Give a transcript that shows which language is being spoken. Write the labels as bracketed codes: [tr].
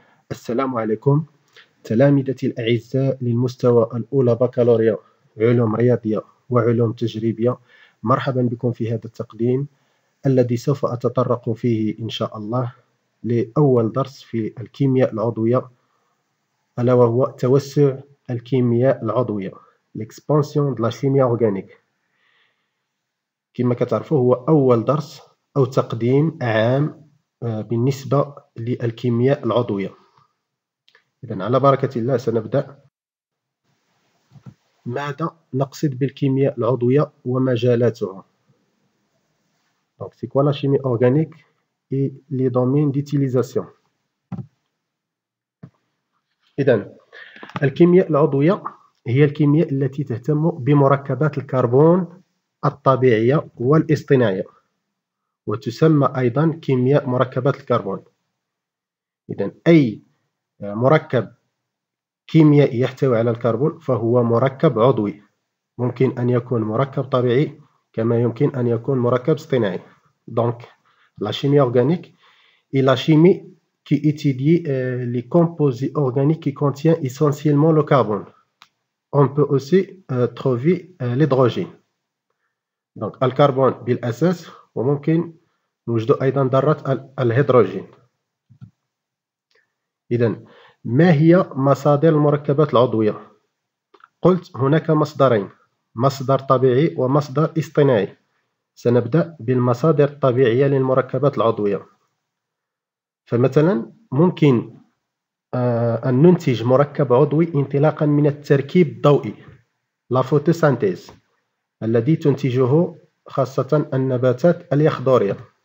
[ar] السلام عليكم تلامذتي الأعزاء للمستوى الأولى بكالوريا علوم رياضية وعلوم تجريبية، مرحبا بكم في هذا التقديم الذي سوف أتطرق فيه إن شاء الله لأول درس في الكيمياء العضوية، ألا وهو توسع الكيمياء العضوية [fr] l'expansion de la chimie organique. [ar] كما كتعرفوا هو أول درس أو تقديم عام بالنسبة للكيمياء العضوية. إذن على بركة الله سنبدأ. ماذا نقصد بالكيمياء العضوية ومجالاتها؟ [fr] Donc, c'est quoi la chimie organique et les domaines d'utilisation? [ar] إذن الكيمياء العضوية هي الكيمياء التي تهتم بمركبات الكربون الطبيعية والاصطناعية، وتسمى أيضا كيمياء مركبات الكربون. إذن أي مركب كيميائي يحتوي على الكربون فهو مركب عضوي، ممكن أن يكون مركب طبيعي كما يمكن أن يكون مركب اصطناعي. [fr] Donc la chimie organique est la chimie qui étudie les composés organiques qui contiennent essentiellement le carbone. On peut aussi trouver l'hydrogène. Donc le carbone bil ss ou [ar] ممكن نوجد ايضا ذرات الهيدروجين. اذا ما هي مصادر المركبات العضويه؟ قلت هناك مصدرين، مصدر طبيعي ومصدر اصطناعي. سنبدا بالمصادر الطبيعيه للمركبات العضويه. فمثلا ممكن ان ننتج مركب عضوي انطلاقا من التركيب الضوئي لا فوتوسانتيز الذي تنتجه خاصه النباتات اليخضريه،